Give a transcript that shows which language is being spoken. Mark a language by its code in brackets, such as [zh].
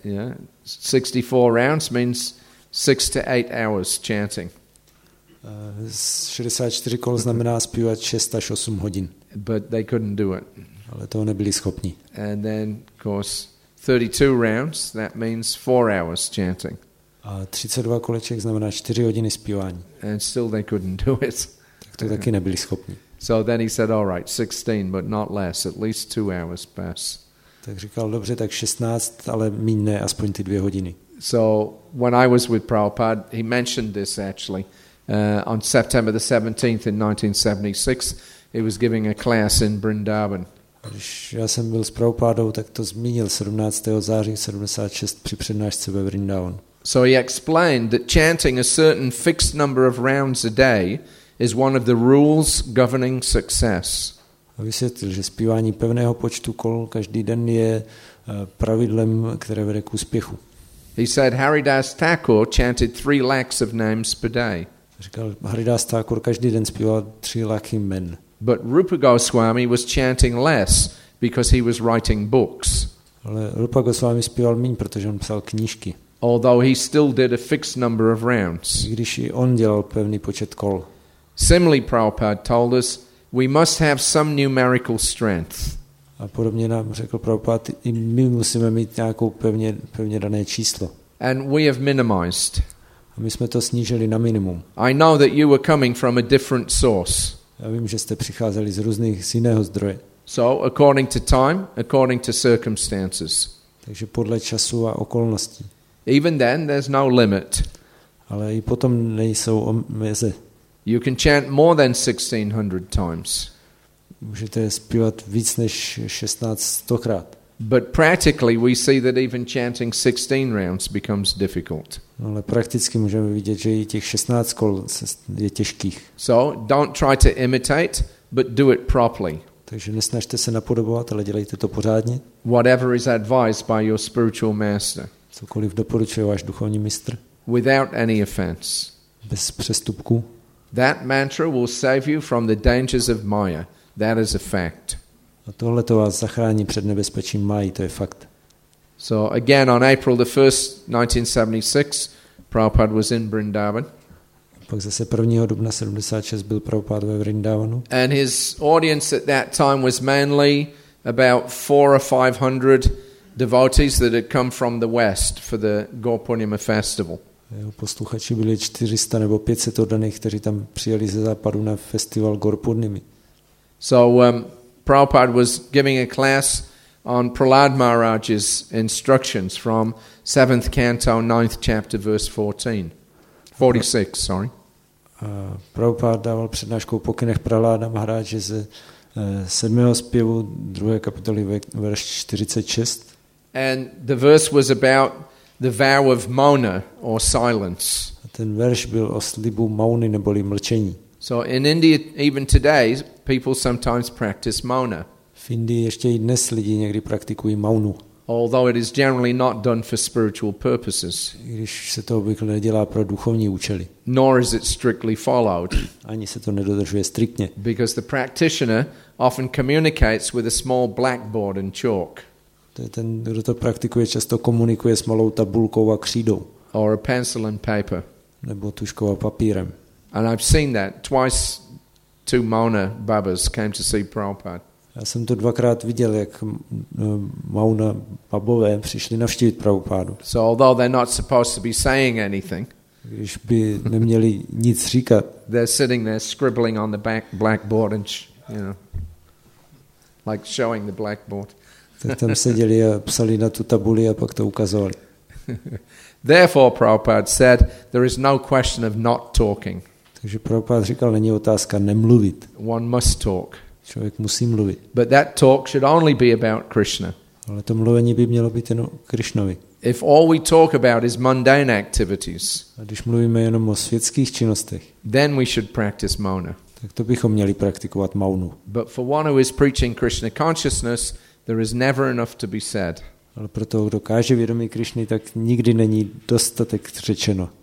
[en] Yeah, 64 rounds means 6 to 8 hours chanting. [cs] 64 kol znamená zpívat 6 až 8 hodin. [en] But they couldn't do it. [cs] Ale toho nebyli schopní. [en] And then, of course, 32 rounds, that means 4 hours chanting. [cs] A 32 koleček znamená 4 hodiny zpívání. [en] And still they couldn't do it. [cs] Tak to taky nebyli schopni. [en] So then he said, all right, 16, but not less, at least 2 hours pass. [cs] Tak říkal, dobře, tak 16, ale míň ne, aspoň ty 2 hodiny. [en] So when I was with Prabhupada, he mentioned this actually. On September the 17th in 1976, he was giving a class in Vrindavan. [cs] Když já jsem byl s Prabhupádou, tak to zmínil 17. září 76 při přednášce ve Vrindavan. [en] So he explained that chanting a certain fixed number of rounds a day is one of the rules governing success. [cs] A vysvětlil, že zpívání pevného počtu kol každý den je pravidlem, které vede k úspěchu. [en] He said Haridas Thakur chanted 3 lakhs of names per day. [cs] Říkal, Haridas Thakur každý den zpíval 3 lakhy jmen. [en] But Rupa Goswami was chanting less because he was writing books. [cs] Ale Rupa Goswami zpíval míň, protože on psal knížky. [en] Although he still did a fixed number of rounds. [cs] I když on dělal pevný počet kol. [en] Similarly, Prabhupada told us, we must have some numerical strength. [cs] A podobně nám řekl Prabhupada, i my musíme mít nějakou pevně dané číslo. [en] And we have minimized. [cs] A my jsme to snížili na minimum. [en] I know that you were coming from a different source. [cs] Já vím, že jste přicházeli z různých z jiného zdroje. [en] So according to time, according to circumstances. [cs] Takže podle času a okolností. [en] Even then, there's no limit. [cs] Ale i potom nejsou meze. [en] You can chant more than 1600 times. [cs] Můžete zpívat víc než 1600krát. [en] But practically, we see that even chanting 16 rounds becomes difficult. [cs] Ale prakticky můžeme vidět, že i těch 16 kol je těžkých. [en] So don't try to imitate, but do it properly. [cs] Takže nesnažte se napodobovat, ale dělejte to pořádně. [en] Whatever is advised by your spiritual master. [cs] Cokoliv doporučuje váš duchovní mistr. [en] Without any offense. [cs] Bez přestupku. [en] That mantra will save you from the dangers of Maya. That is a fact. [cs] A tohle to vás zachrání před nebezpečím Mayi, to je fakt. [en] So again on April the 1st, 1976, Prabhupada was in Vrindavan. [cs] Pak zase 1. dubna 76 byl Prabhupád ve Vrindavanu. [en] And his audience at that time was mainly about 400 or 500 devotees that had come from the west for the Gopurnima festival. [cs] Jeho posluchači byli 400 nebo 500 oddaných, kteří tam přijeli ze západu na festival Gopurnimy. [en] So Prabhupada was giving a class on Prahlad Maharaj's instructions from 7th canto 9th chapter verse 46. [cs] Prabhupada dával přednášku o pokynech Prahláda Maharaje ze 7. zpěvu 2. kapitoly verš 46. [en] And the verse was about the vow of mauna or silence. [cs] A ten verš byl o slibu mauny neboli mlčení. [en] So in India even today people sometimes practice mauna. [cs] V Indii ještě i dnes lidi někdy praktikují maunu. [en] Although it is generally not done for spiritual purposes. [cs] I když se to obvykle nedělá pro duchovní účely. [en] Nor is it strictly followed. [cs] Ani se to nedodržuje striktně. [en] Because the practitioner often communicates with a small blackboard and chalk. [cs] Ten, kdo to praktikuje, často komunikuje s malou tabulkou a křídou. [en] Or a pencil and paper. [cs] Nebo tuškou a papírem. [en] And I've seen that twice. Two Mauna Babas came to see Prabhupada. [cs] Já jsem to dvakrát viděl, jak Mauna Babové přišli navštívit Prabhupádu. [en] So although they're not supposed to be saying anything, [cs] když by neměli nic říkat, [en] they're sitting there scribbling on the back blackboard and like showing the blackboard. [cs] Tak tam seděli a psali na tu tabuli a pak to ukazovali. [en] Therefore, Prabhupada said, there is no question of not talking. [cs] Takže Prabhupád říkal, není otázka nemluvit. [en] One must talk. [cs] Člověk musí mluvit. [en] But that talk should only be about Krishna. [cs] Ale to mluvení by mělo být jenom Krishnovi. [en] If all we talk about is mundane activities, [cs] a když mluvíme jenom o světských činnostech, [en] then we should practice mauna. [cs] Tak to bychom měli praktikovat maunu. [en] But for one who is preaching Krishna consciousness, there is never enough to be said. [cs] Ale pro toho, kdo káže vědomí Krishny, tak nikdy není dostatek řečeno.